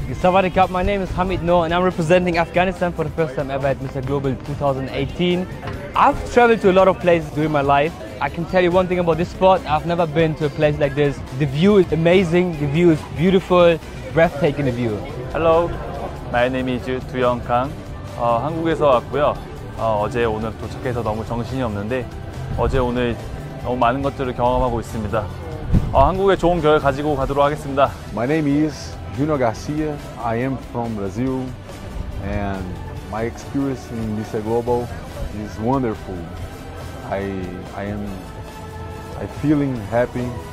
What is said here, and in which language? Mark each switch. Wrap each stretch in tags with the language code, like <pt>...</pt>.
<en>Sawadee Kap, my name is Hamid Noor, and I'm representing Afghanistan for the first time ever at Mr. Global 2018. I've traveled to a lot of places during my life,I can tell you one thing about this spot, I've never been to a place like this. The view is amazing, the view is beautiful, breathtaking the view. Hello, my name is</en> <ko>두영 강. 한국에서 왔고요. 어제 오늘 도착해서 너무 정신이 없는데 어제 오늘 너무 많은 것들을 경험하고 있습니다. 한국에 좋은 결 가지고 가도록 하겠습니다.</ko> <en>My name is Junior Garcia. I am from Brazil, and my experience in this global is wonderful. I'm feeling happy.</en>